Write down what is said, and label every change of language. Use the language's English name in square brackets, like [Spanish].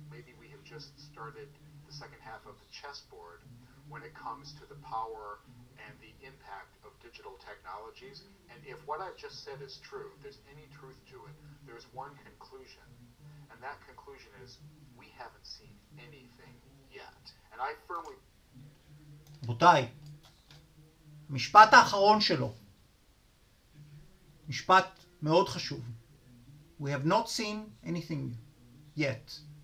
[English] Maybe we have just started the second half of the chessboard when it comes to the power and the impact of digital technologies. And if what I've just said is true, if there's any truth to it, there's one conclusion. And that conclusion is, we haven't seen anything yet. And I firmly... [Hebrew] רבותיי, המשפט האחרון שלו, משפט מאוד חשוב. [English] We have not seen anything yet.